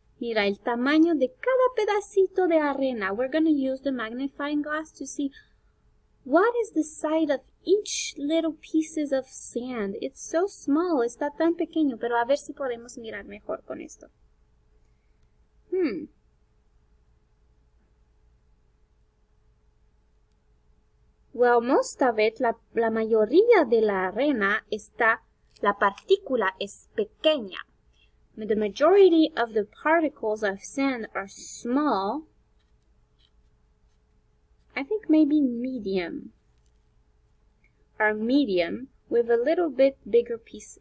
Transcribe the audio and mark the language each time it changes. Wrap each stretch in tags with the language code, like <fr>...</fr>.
<es>Mira, el tamaño de cada pedacito de arena.</es> <en>We're going to use the magnifying glass to see what is the size of each little pieces of sand. It's so small,</en> <es>está tan pequeño, pero a ver si podemos mirar mejor con esto.</es> <en>Well, most of it,</en> <es>la mayoría de la arena está, la partícula es pequeña.</es> <en>The majority of the particles of sand are small. I think maybe medium. Are medium with a little bit bigger piece.</en>